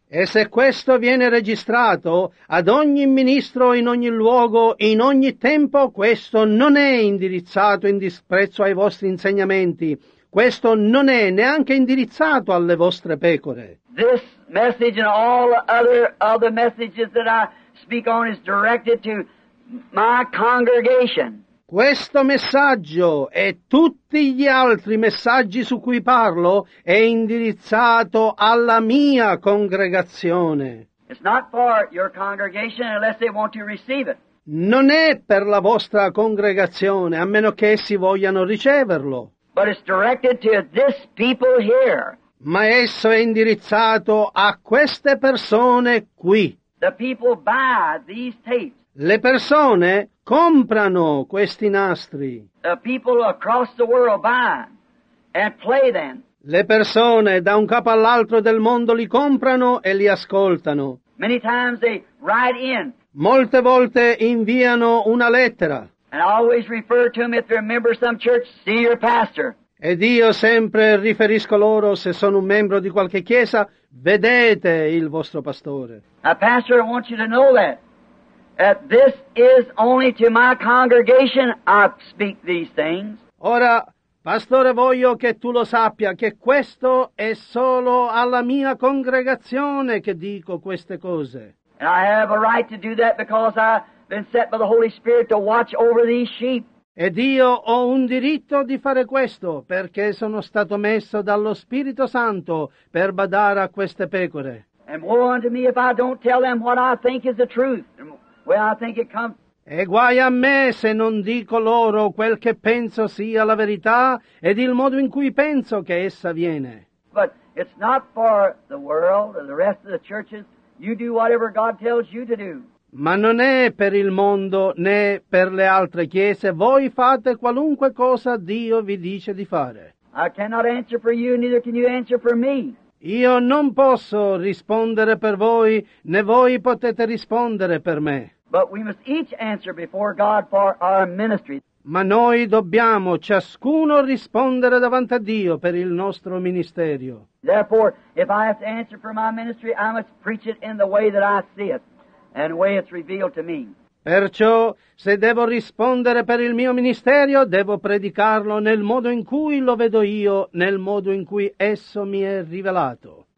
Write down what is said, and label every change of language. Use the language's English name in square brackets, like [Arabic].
[Italian] E se questo viene registrato ad ogni ministro in ogni luogo, in ogni tempo, questo non è indirizzato in disprezzo ai vostri insegnamenti. Questo non è neanche indirizzato alle vostre pecore. [English] This message and all other messages that I speak on is directed to my congregation. [Italian] Questo messaggio e tutti gli altri messaggi su cui parlo è indirizzato alla mia congregazione. [English] It's not for your congregation unless they want to receive it. [Italian] Non è per la vostra congregazione, a meno che essi vogliano riceverlo. [English] But it's directed to this people here. [Italian] Ma esso è indirizzato a queste persone qui. [English] The people buy these tapes. [Italian] Le persone comprano questi nastri. [English] The people across the world buy and play them. [Italian] Le persone da un capo all'altro del mondo li comprano e li ascoltano. [English] Many times they write in. [Italian] Molte volte inviano una lettera. [English] And I always refer to them if they're a member of some church, see your pastor. [Italian] Ed io sempre riferisco loro se sono un membro di qualche chiesa, vedete il vostro pastore. [English] Now, pastor, I want you to know that this is only to my congregation I speak these things. [Italian] Ora, pastore, voglio che tu lo sappia che questo è solo alla mia congregazione che dico queste cose. [English] And I have a right to do that because I been set by the Holy Spirit to watch over these sheep. [Italian] Ed io ho un diritto di fare questo perché sono stato messo dallo Spirito Santo per badare a queste pecore. [English] And woe unto me if I don't tell them what I think is the truth, where I think it comes. [Italian] E guai a me se non dico loro quel che penso sia la verità ed il modo in cui penso che essa viene. [English] But it's not for the world and the rest of the churches. You do whatever God tells you to do. [Italian] Ma non è per il mondo né per le altre chiese. Voi fate qualunque cosa Dio vi dice di fare. [English] I cannot answer for you, neither can you answer for me. [Italian] Io non posso rispondere per voi, né voi potete rispondere per me. [English] But we must each answer before God for our ministry. [Italian] Ma noi dobbiamo ciascuno rispondere davanti a Dio per il nostro ministerio. [English] Therefore, if I have to answer for my ministry, I must preach it in the way that I see it. And the way it's revealed to me. [Italian] Perciò, se devo rispondere per il mio ministerio, devo predicarlo nel modo in cui lo vedo io, nel modo in cui esso mi è rivelato.